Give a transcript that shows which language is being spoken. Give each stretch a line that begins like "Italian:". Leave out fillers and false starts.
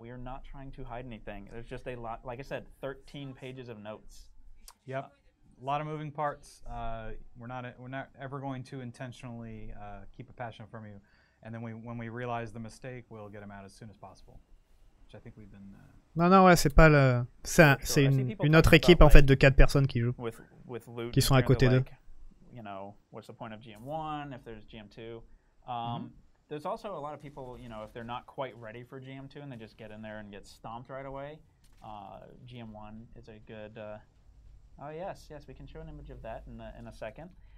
English: We are not trying to hide anything. There's just a lot, like I said, 13 pages of notes. Yep. A lot of moving parts. We're not ever going to intentionally keep a passion from you. And then when we realize the mistake, we'll get them out as soon as possible. Which I think we've been...
French: C'est une autre équipe, en fait, de 4 personnes qui jouent.
English: With loot,
French: qui sont à côté d'eux.
English: Like, you know, what's the point of GM1 if there's GM2? There's also a lot of people, you know, if they're not quite ready for GM2 and they just get in there and get stomped right away, GM1 is a good, we can show an image of that in a second.